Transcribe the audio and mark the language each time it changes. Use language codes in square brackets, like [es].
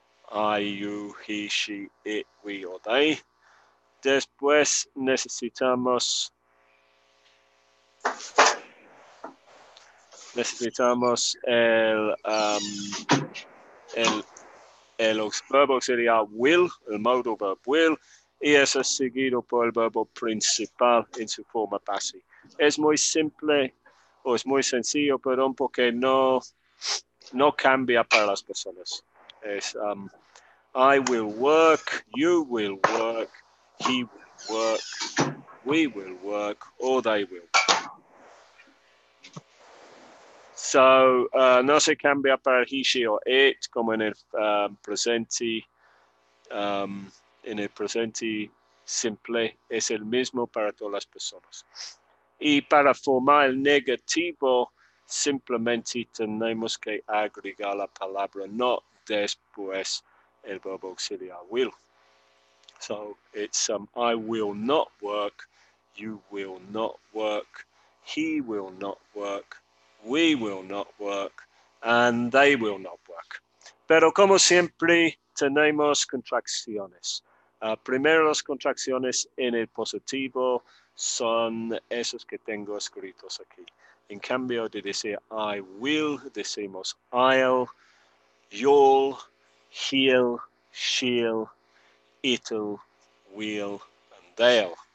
[en] I, you, he, she, it, we, or they. [es] Después necesitamos el verbo auxiliar will, el modal verb will, y eso es seguido por el verbo principal en su forma base. Es muy simple. O es muy sencillo, perdón, porque no cambia para las personas. [en] Es I will work, you will work, he will work, we will work, or they will work. [es] So, no se cambia para [en] he, she, or it, [es] como en el presente. En el presente simple, es el mismo para todas las personas. Y para formar el negativo, simplemente tenemos que agregar la palabra not después el verbo auxiliar will. [en] So it's I will not work, you will not work, he will not work, we will not work, and they will not work. [es] Pero como siempre, tenemos contracciones. Primero las contracciones en el positivo son esos que tengo escritos aquí. En cambio de decir [en] I will, [es] decimos [en] I'll, you'll, he'll, she'll, it'll, will, and they'll.